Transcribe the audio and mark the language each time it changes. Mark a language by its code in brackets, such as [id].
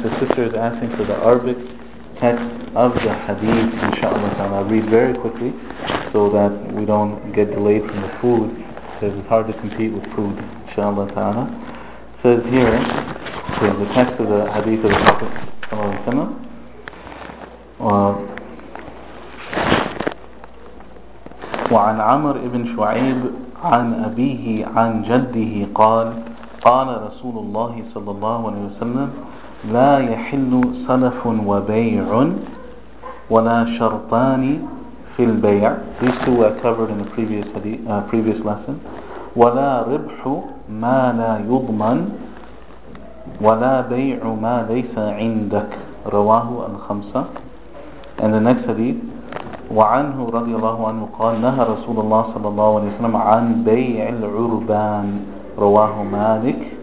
[en] The sister is asking for the Arabic text of the hadith, inshallah. I'll read very quickly so that we don't get delayed from the food. It says it's hard to compete with food, inshallah ta'ala. It says here, okay, the text of the hadith of the Prophet sallallahu alayhi wa sallam. [ar] وعن عمر بن شعيب عن أبيه عن جده قال قال رسول الله صلى الله عليه وسلم لا يحل سلف وبيع ولا شرطان في البيع. [en] These two were covered in the previous hadith, previous lesson. [ar] ولا ربح ما لا يضمن ولا بيع ما ليس عندك رواه الخمسة. [en] And the next hadith, [ar] وعنه رضي الله عنه قال نهى رسول الله صلى الله عليه وسلم عن بيع العربان رواه مالك.